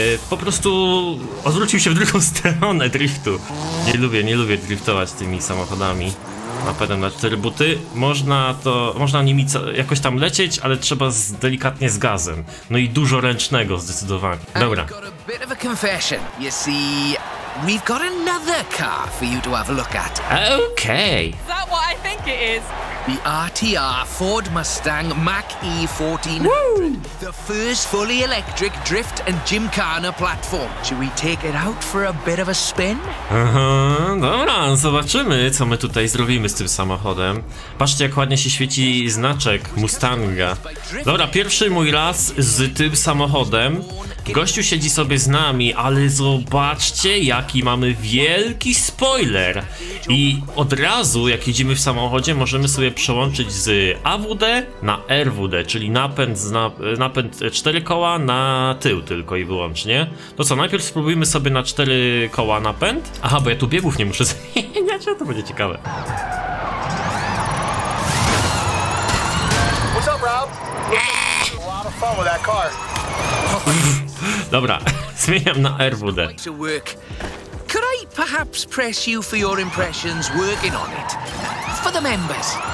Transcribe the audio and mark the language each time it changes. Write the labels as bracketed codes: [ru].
[pl] po prostu odwrócił się w drugą stronę driftu. Nie lubię driftować tymi samochodami napędem na 4 buty. Można nimi jakoś tam lecieć, ale trzeba delikatnie z gazem. No i dużo ręcznego zdecydowanie. Dobra. [en] We've got another car for you to have a look at. Okay. Is that what I think it is? The RTR Ford Mustang Mach-E 1400. Woo! The first fully electric drift and gymkhana platform. Should we take it out for a bit of a spin? [pl] Dobra, zobaczymy, co my tutaj zrobimy z tym samochodem. Patrzcie, jak ładnie się świeci znaczek Mustanga. Dobra, pierwszy mój raz z tym samochodem. Gościu siedzi sobie z nami, ale zobaczcie, jaki mamy wielki spoiler! I od razu, jak jedziemy w samochodzie, możemy sobie przełączyć z AWD na RWD, czyli napęd 4 koła na tył tylko i wyłącznie. To co, najpierw spróbujmy sobie na 4 koła napęd? Aha, bo ja tu biegów nie muszę zmieniać, to będzie ciekawe. [en] What's up, Rob? A lot of fun with that car. [pl] Dobra, zmieniam na RWD. [en] Could I perhaps press you for your impressions working on it? For the members.